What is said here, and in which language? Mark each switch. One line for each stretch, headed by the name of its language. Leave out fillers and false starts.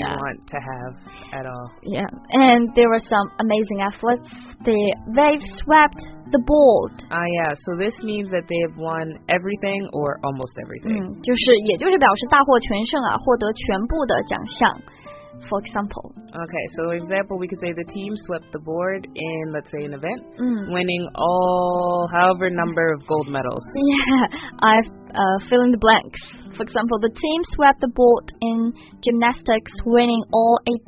English: Yeah, that's not the kind of streak you want to have at all. Yeah, and there were some amazing athletes. They've swept. The bold. So this means that they've won everything or almost everything.
Chinese: 就是也就是表示大获全胜啊，获得全部的奖项。
English: For example. Okay, so example, we could say the team swept the board in, let's say, an event, winning all however number of gold medals. Yeah, fill in the blanks. For example, the team swept the board in gymnastics, winning all